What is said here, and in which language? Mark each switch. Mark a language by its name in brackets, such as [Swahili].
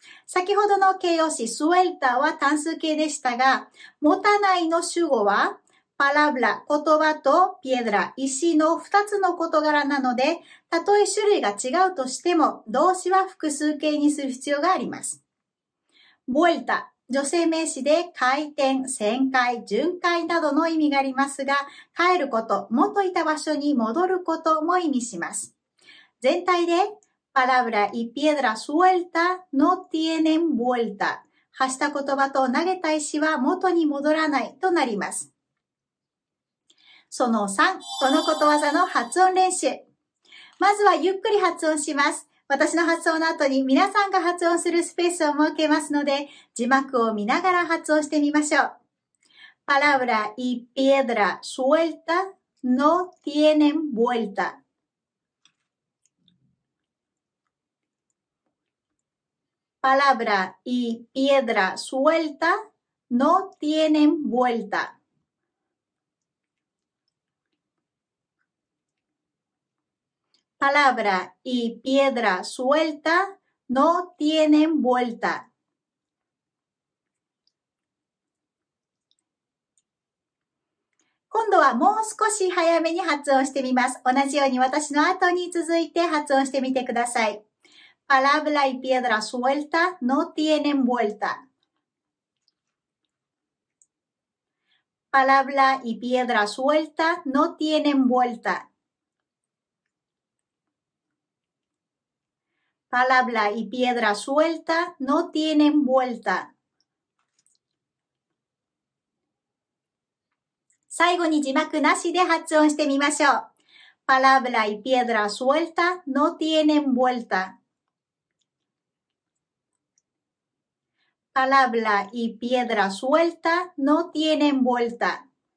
[Japanese] 先ほどの形容詞 suelta は単数形でしたが、持たないの主語は、palabra、言葉と piedra、石の2つの事柄なので、たとえ種類が違うとしても、動詞は複数形にする必要があります。 vuelta、女性名詞で回転、旋回、巡回などの意味がありますが、帰ること、元いた場所に戻ることも意味します。全体で、 [Spanish] Palabra y piedra suelta no tienen vuelta. [Japanese] 発した言葉と投げた石は元に戻らないとなります。その3、このことわざの発音練習。まずはゆっくり発音します。私の発音の後に皆さんが発音するスペースを設けますので、字幕を見ながら発音してみましょう。 [Spanish] Palabra y piedra suelta no tienen vuelta. Palabra y piedra suelta no tienen vuelta. Palabra y piedra suelta no tienen vuelta. [Japanese] 今度はもう少し早めに発音してみます。同じように私の後に続いて発音してみてください。 [Spanish] Palabra y piedra suelta no tienen vuelta. Palabra y piedra suelta no tienen vuelta. Palabra y piedra suelta no tienen vuelta. [Japanese] 最後に字幕なしで発音してみましょう。 [Spanish] Palabra y piedra suelta no tienen vuelta. Palabra y piedra suelta no tienen vuelta.